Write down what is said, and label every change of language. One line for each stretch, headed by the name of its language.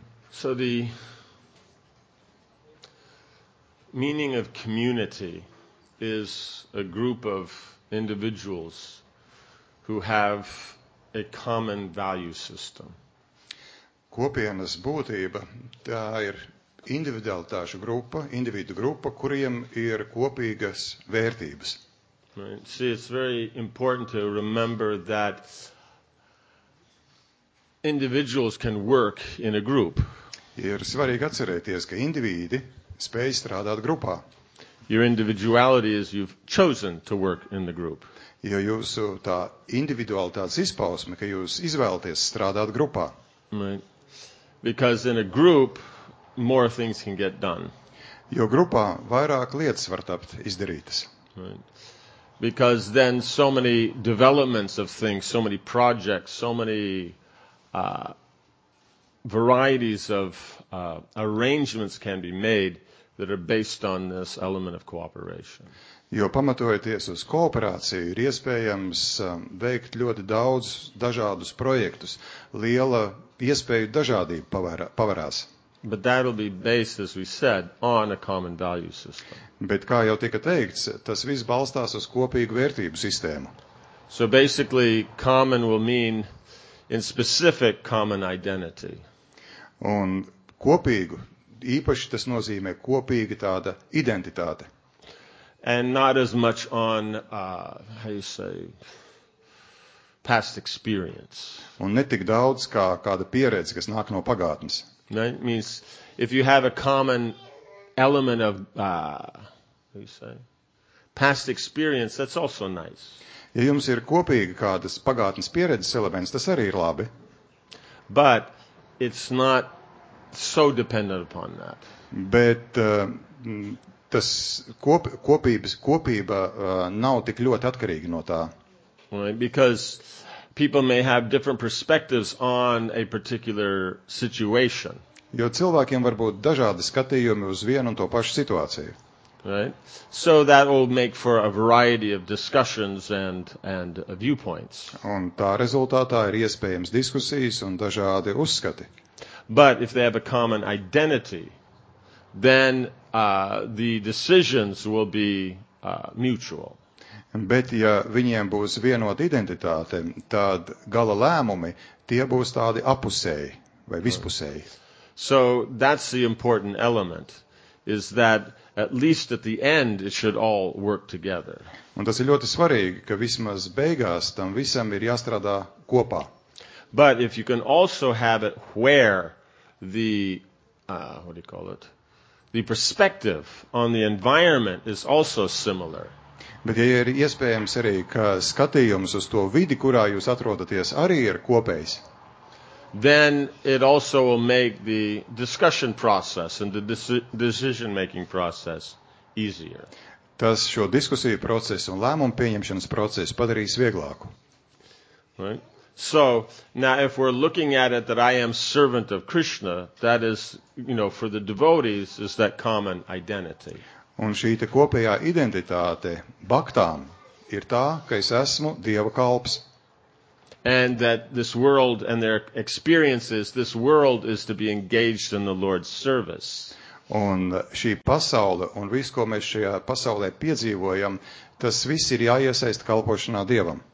English: So the meaning of community is a group of individuals who have a common value system.
Latvian: Kopienas būtība, tā ir individualitāšu grupa, individu grupa, kuriem ir kopīgas vērtības.
English: Right. See, it's very important to remember that individuals can work in a group.
Latvian: Ir svarīgi atcerēties, ka indivīdi spēj strādāt grupā.
English: Your individuality is you've chosen to work in the group.
Latvian: Jo jūsu tā individualitātes izpausme, ka jūs izvēlaties strādāt grupā.
English: Because in a group more things can get done.
Latvian: Jo grupā vairāk lietas var tapt izdarītas.
English: Because then so many developments of things, so many projects, so many varieties of arrangements can be made that are based on this element of cooperation.
Latvian: Jo pamatojoties uz kooperāciju, ir iespējams veikt ļoti daudz dažādus projektus. Liela iespēju dažādība pavarās.
English: But that will be based, as we said, on a common value system.
Latvian: Bet kā jau tika teikts, tas viss balstās uz kopīgu vērtību sistēmu.
English: So basically, common will mean in specific common identity.
Latvian: Un kopīgu, īpaši tas nozīmē kopīga tāda identitāte.
English: And not as much on, how you say, past experience.
Latvian: Un netik daudz kā kāda pieredze, kas nāk no pagātnes.
English: That means, if you have a common element of, how you say, past experience, that's also nice.
Latvian: Ja jums ir kopīga kādas pagātnes pieredzes elements, tas arī ir labi.
English: But it's not so dependent upon that.
Latvian: Bet tas kopība nav tik ļoti atkarīga no tā.
English: Right, because people may have different perspectives on a particular situation.
Latvian: Jo cilvēkiem var būt dažādi skatījumi uz vienu un to pašu situāciju.
English: Right. So that will make for a variety of discussions and viewpoints.
Latvian: Un tā rezultātā ir iespējams diskusijas un dažādi uzskati.
English: But if they have a common identity, then the decisions will be mutual.
Latvian: Bet ja viņiem būs vienota identitāte, tad gala lēmumi tie būs tādi apusēji vai vispusēji.
English: So that's the important element, is that at least at the end it should all work together.
Latvian: Un tas ir ļoti svarīgi, ka vismaz beigās tam visam ir jāstrādā kopā.
English: But if you can also have it where the, what do you call it, the perspective on the environment is also similar.
Latvian: Bet ja ir iespējams arī, ka skatījums uz to vidi, kurā jūs atrodaties, arī ir kopējs.
English: Then it also will make the discussion process and the decision-making process easier.
Latvian: Tas šo diskusiju procesu un lēmumu pieņemšanas procesu padarīs vieglāku.
English: Right? So, now if we're looking at it that I am servant of Krishna, that is, you know, for the devotees, is that common identity.
Latvian: Un šī te kopējā identitāte baktām ir tā, ka es esmu Dieva kalps.
English: And that this world and their experiences, this world is to be engaged in the Lord's service.
Latvian: Un šī pasaule un viss, ko mēs šajā pasaulē piedzīvojam, tas viss ir jāiesaist kalpošanā Dievam.